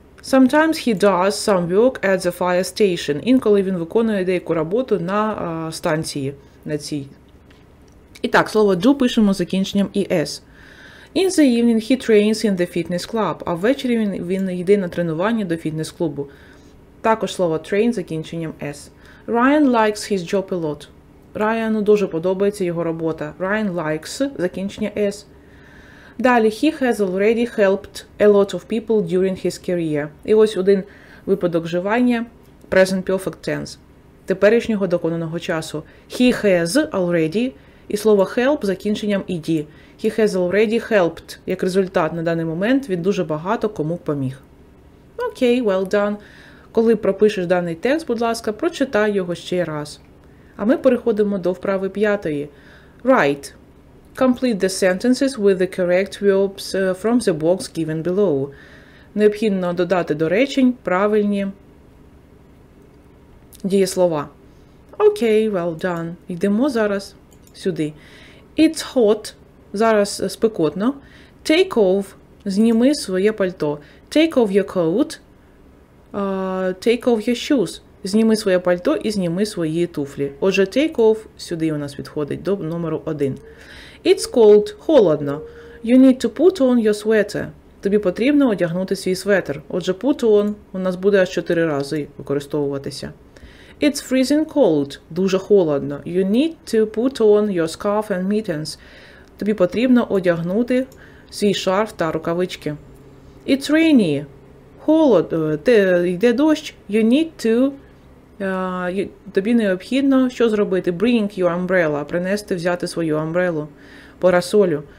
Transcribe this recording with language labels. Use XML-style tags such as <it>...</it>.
<en>Sometimes he does some work at the fire station.</en> <uk>Інколи він виконує деяку роботу на станції, на цій. І так, слово do пишемо закінченням ES.</uk> <en>In the evening he trains in the fitness club.</en> <uk>А ввечері він йде на тренування до фітнес-клубу. Також слово train закінченням S.</uk> <en>Ryan likes his job a lot.</en> <uk>Райану дуже подобається його робота.</uk> <en>Ryan likes</en> <uk>закінчення S. Далі,</uk> <en>he has already helped a lot of people during his career.</en> <uk>І ось один випадок вживання,</uk> <en>present perfect tense,</en> <uk>теперішнього доконаного часу.</uk> <en>He has already,</en> <uk>і слово</uk> <en>help</en> <uk>закінченням</uk> <en>ed. He has already helped,</en> <uk>як результат на даний момент, він дуже багато кому поміг. Окей,</uk> <en>well done.</en> <uk>Коли пропишеш даний текст, будь ласка, прочитай його ще раз. А ми переходимо до вправи п'ятої.</uk> <en>Right. Complete the sentences with the correct verbs from the box given below.</en> <uk>Необхідно додати до речень правильні дієслова. Окей,</uk> <en>well done.</en> <uk>Йдемо зараз сюди.</uk> <en>It's hot.</en> <uk>Зараз спекотно.</uk> <en>Take off.</en> <uk>Зніми своє пальто.</uk> <en>Take off your coat. Take off your shoes.</en> <uk>Зніми своє пальто і зніми свої туфлі. Отже,</uk> <en>take off</en> <uk>сюди у нас відходить до номеру 1.</uk> <en>It's cold,</en> <uk>холодно.</uk> <en>You need to put on your sweater.</en> <uk>Тобі потрібно одягнути свій светр. Отже,</uk> <en>put on</en> <uk>у нас буде аж 4 рази використовуватися.</uk> <en>It's freezing cold,</en> <uk>дуже холодно.</uk> <en>You need to put on your scarf and mittens.</en> <uk>Тобі потрібно одягнути свій шарф та рукавички.</uk> <en>It's rainy,</en> <uk>холод, йде дощ.</uk> <en>You need to,</en> <uk>тобі необхідно що зробити?</uk> <en>Bring your umbrella,</en> <uk>принести, взяти свою амбрелу. Парасолю.</uk>